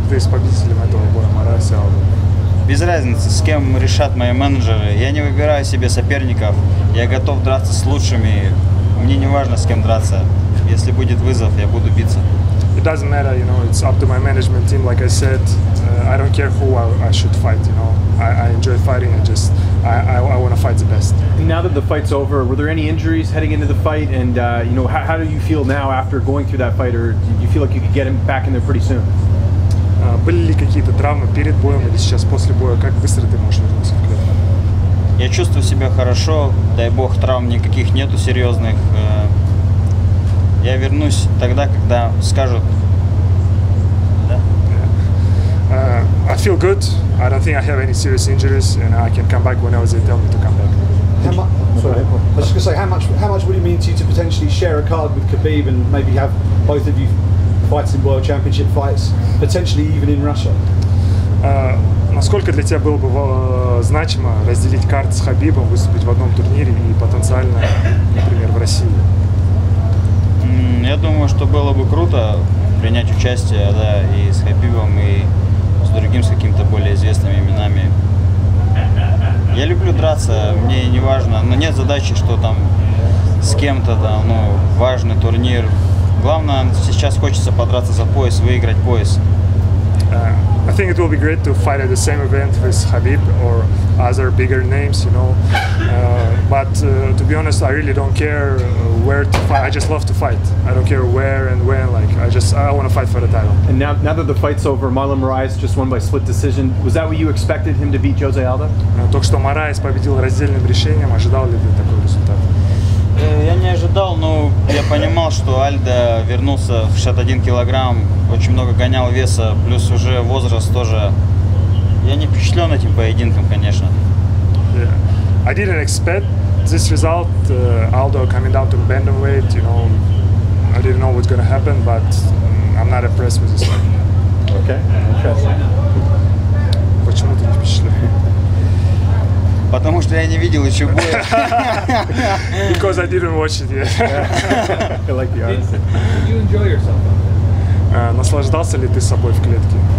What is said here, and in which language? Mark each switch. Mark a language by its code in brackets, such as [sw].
[ru] ты с победителем этого боя, Морайс Алдо? Без разницы, с кем решат мои менеджеры. Я не выбираю себе соперников. Я готов драться с лучшими. Мне не важно, с кем драться. Если будет вызов, я буду биться. [en] It doesn't matter, you know, it's up to my management team, like I said. I don't care who I should fight, you know. I enjoy fighting and just, I want to fight the best. Now that the fight's over, were there any injuries heading into the fight? And, you know, how do you feel now after going through that fight? Or do you feel like you could get him back in there pretty soon? [ru] Были ли какие-то травмы перед боем или сейчас после боя? Как быстро ты можешь вернуться в клетку? Я чувствую себя хорошо. Дай бог, травм никаких нету серьезных. Я вернусь тогда, когда скажут. Да. [en] Yeah. I feel good. I don't think I have any serious injuries, and I can come back whenever they tell me to come back. How much would it mean to you to potentially share a card with Khabib and maybe have both of you fights in world championship fights, potentially even in Russia? [ru] Насколько для тебя было бы значимо разделить карты с Хабибом, выступить в одном турнире и потенциально, например, в России? Я думаю, что было бы круто принять участие, да, и с Хабибом, и с другим, с каким-то более известными именами. Я люблю драться, мне не важно, но нет задачи, что там с кем-то, да, ну, важный турнир. Главное, сейчас хочется подраться за пояс, выиграть пояс. [en] I think it will be great to fight at the same event with Khabib or other bigger names, you know. But to be honest, I really don't care where to fight. I just love to fight. I don't care where and when. Like, I want to fight for the title. And now that the fight's over, Marlon Moraes just won by split decision. Was that what you expected him to beat Jose Aldo? [ru] Только что Moraes победил раздельным решением. Ожидал ли ты такой результат? Я не ожидал, но я понимал, что Альдо вернулся в 61 килограмм, очень много гонял веса, плюс уже возраст тоже. Я не впечатлен этим поединком, конечно. [en] Yeah. I didn't expect this result, Aldo coming down to bantamweight, you know, I didn't know what's gonna happen, but I'm not impressed with this one. Okay. [ru] Почему ты не впечатлен? Потому что я не видел еще боя. [en] Because I didn't watch it yet. I like the honesty. Did you enjoy yourself? [ru] Наслаждался ли ты собой в клетке?